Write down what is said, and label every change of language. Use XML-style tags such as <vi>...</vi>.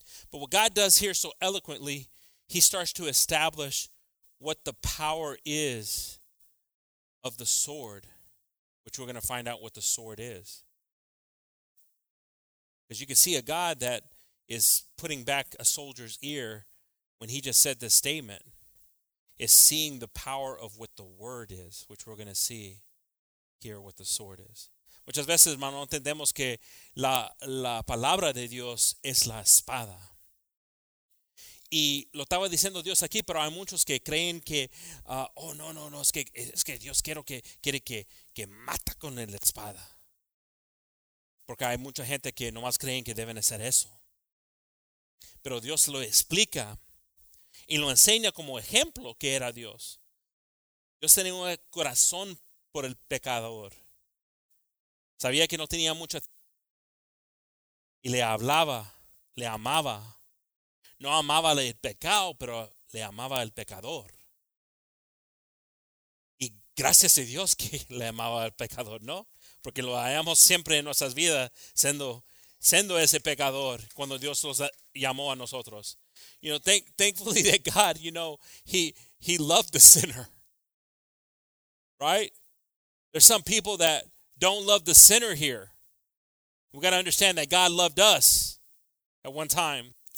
<en>But what God does here so eloquently, he starts to establish what the power is of the sword, which we're going to find out what the sword is. Because you can see a God that is putting back a soldier's ear when he just said this statement, is seeing the power of what the word is, which we're going to see here what the sword is.</en> <es>Muchas veces, hermano, entendemos que la palabra de Dios es la espada. Y lo estaba diciendo Dios aquí, pero hay muchos que creen que, es que Dios quiere que mata con la espada. Porque hay mucha gente que nomás creen que deben hacer eso. Pero Dios lo explica y lo enseña como ejemplo que era Dios. Dios tenía un corazón por el pecador. Sabía que no tenía mucha Y le hablaba, le amaba. No amaba el pecado, pero le amaba el pecador. Y gracias a Dios que le amaba al pecador, ¿no? Porque lo hallamos siempre en nuestras vidas siendo ese pecador cuando Dios los llamó a nosotros.</es> <en>You know, thankfully that God, you know, he loved the sinner. Right? There's some people that don't love the sinner here. We've got to understand that God loved us at one time.</en>